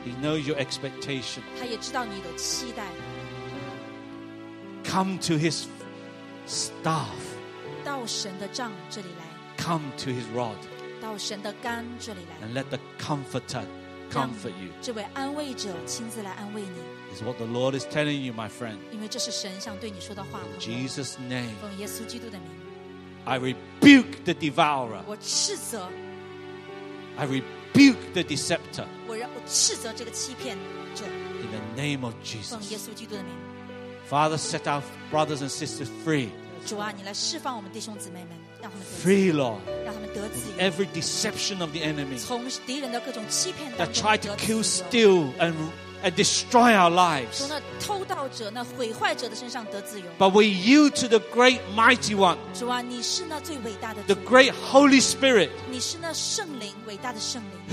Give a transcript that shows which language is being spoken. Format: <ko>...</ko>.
<en>He knows your expectation.</en> <zh>他也知道你的期待。</zh> <en>Come to His staff.</en> <zh>到神的杖这里来。</zh> <en>Come to His rod.</en> <zh>到神的杆这里来。</zh> <en>And let the comforter comfort you.</en> <zh>这位安慰者亲自来安慰你。</zh> <en>It's what the Lord is telling you, my friend.</en> <zh>因为这是神想对你说的话。</zh> <en>In Jesus' name.</en> <zh>奉耶稣基督的名。</zh> <en>I rebuke the devourer.</en> <zh>我斥责。</zh> <en>I rebuke the deceptor.</en> <zh>我斥责这个欺骗者。</zh> <en>In the name of Jesus.</en> <zh>奉耶稣基督的名。</zh> <en>Father, set our brothers and sisters free.</en> <zh>主啊，你来释放我们弟兄姊妹们。</zh> <en>Free Lord,</en> <zh>让他们得自由。</zh> <en>Every deception of the enemy,</en> <zh>从敌人的各种欺骗当中</zh> <en>that try to kill, steal, and destroy our lives,</en> <zh>从那偷盗者、那毁坏者的身上得自由。</zh> <en>But we yield to the great, mighty one.</en> <zh>主啊，你是那最伟大的主。</zh> <en>The great Holy Spirit,</en> <zh>你是那圣灵、伟大的圣灵。</zh>